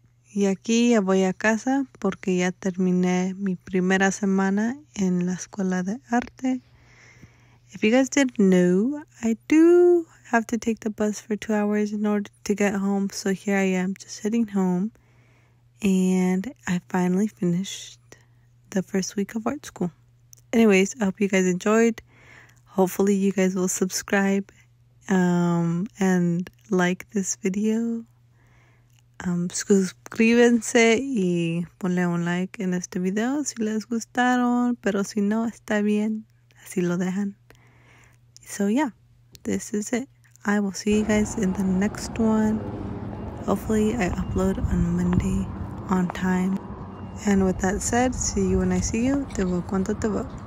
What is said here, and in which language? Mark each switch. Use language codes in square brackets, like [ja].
[es] Y aquí ya voy a casa porque ya terminé mi primera semana en la escuela de arte. [en] If you guys didn't know, I do have to take the bus for 2 hours in order to get home. So here I am just heading home. And I finally finished the first week of art school. Anyways, I hope you guys enjoyed. Hopefully you guys will subscribe and like this video. [es] Suscríbanse y ponle un like en este video si les gustaron, pero si no, está bien, así lo dejan. [en] So yeah, this is it. I will see you guys in the next one. Hopefully I upload on Monday on time. And with that said, see you when I see you. [es] Te veo cuando te veo.